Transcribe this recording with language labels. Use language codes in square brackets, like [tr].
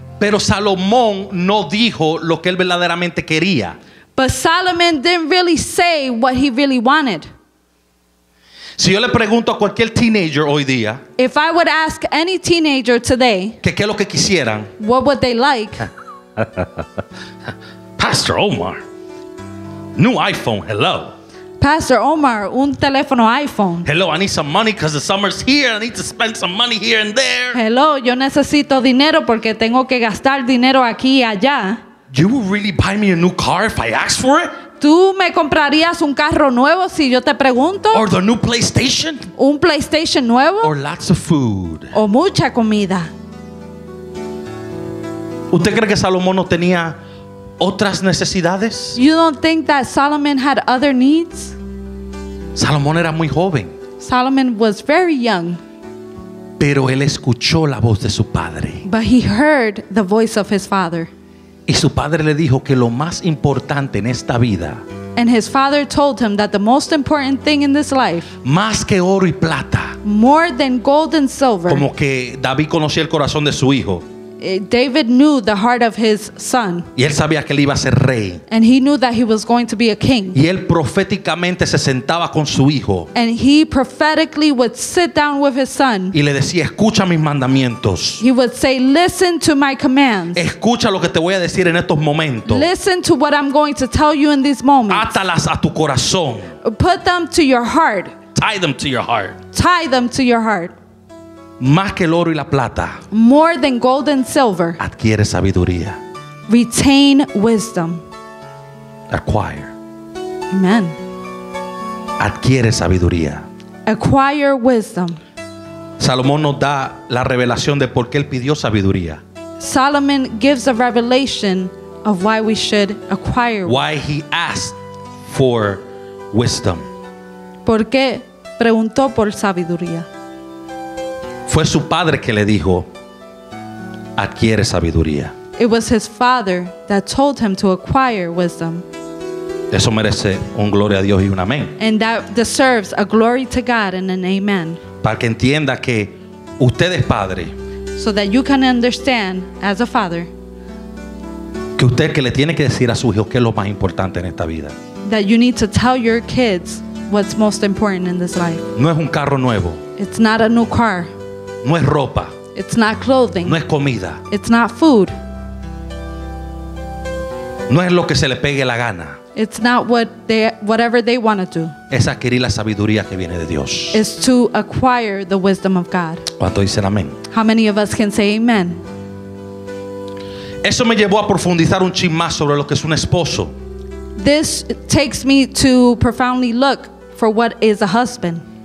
[es] Pero Salomón no dijo lo que él verdaderamente quería. [en] But Solomon didn't really say what he really wanted. [es] Si yo le pregunto a cualquier teenager hoy día, [en] if I would ask any teenager today, [es] que qué es lo que quisieran, [en] what would they like? Pastor Omar, new iPhone, hello. [es] Pastor Omar, un teléfono iPhone. [en] Hello, I need some money because the summer's here. I need to spend some money here and there. [es] Hello, yo necesito dinero porque tengo que gastar dinero aquí y allá. [en] You will really buy me a new car if I ask for it? [es] ¿Tú me comprarías un carro nuevo si yo te pregunto? [en] Or the new PlayStation? [es] ¿Un PlayStation nuevo? [en] Or lots of food? [es] ¿O mucha comida? ¿Usted cree que Salomón no tenía otras necesidades? [en] You don't think that Solomon had other needs? [es] Salomón era muy joven. [en] Solomon was very young. [es] Pero él escuchó la voz de su padre. [en] But he heard the voice of his father. [es] Y su padre le dijo que lo más importante en esta vida. [en] And his father told him that the most important thing in this life. [es] Más que oro y plata. [en] More than gold and silver. [es] Como que David conocía el corazón de su hijo. [en] David knew the heart of his son. [es] Y él sabía que él iba a ser rey. [en] And he knew that he was going to be a king. [es] Y él proféticamente se sentaba con su hijo. [en] And he prophetically would sit down with his son. [es] Y le decía, escucha mis mandamientos. [en] He would say, listen to my commands. [es] Escucha lo que te voy a decir en estos momentos. [en] Listen to what I'm going to tell you in these moments. [es] Átalas a tu corazón. [en] Put them to your heart. Tie them to your heart. Tie them to your heart. [es] Más que el oro y la plata. [en] More than gold and silver. [es] Adquiere sabiduría. [en] Retain wisdom. Acquire. Amen. [es] Adquiere sabiduría. [en] Acquire wisdom. [es] Salomón nos da la revelación de por qué él pidió sabiduría. [en] Solomon gives a revelation of why we should acquire. Why he asked for wisdom. [es] ¿Por qué preguntó por sabiduría? Fue su padre que le dijo, adquiere sabiduría. [en] It was his father that told him to acquire wisdom. [es] Eso merece un gloria a Dios y un amén. [en] And that deserves a glory to God and an amen. [es] Para que entienda que usted es padre. [en] So that you can understand as a father. [es] Que usted que le tiene que decir a su hijo qué es lo más importante en esta vida. [en] That you need to tell your kids what's most important in this life. [es] No es un carro nuevo. [en] It's not a new car. [es] No es ropa. [en] It's not clothing. [es] No es comida. [en] It's not food. [es] No es lo que se le pegue la gana. [en] It's not what they, whatever they want to do. [es] Es adquirir la sabiduría que viene de Dios. [en] It's to acquire the wisdom of God. [es] ¿Cuánto dicen amén? [en] How many of us can say amen? [es] Eso me llevó a profundizar un chin más sobre lo que es un esposo. [en] This takes me to profoundly look for what is a husband.